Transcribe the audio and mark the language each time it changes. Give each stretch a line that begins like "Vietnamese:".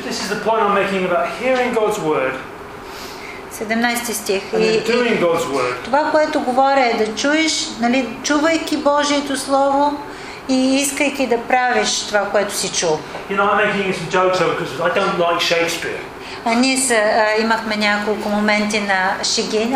English: This is the point I'm making about hearing God's word.
Bulgarian: 17 стих.
English: And then doing God's word.
Bulgarian: Това, което говоря, е да чуеш, нали, чувайки Божието слово и искайки да правиш това, което си чул.
English: You know, I'm making some jokes over because I don't like Shakespeare.
Bulgarian: А ние имахме няколко моменти на шеги.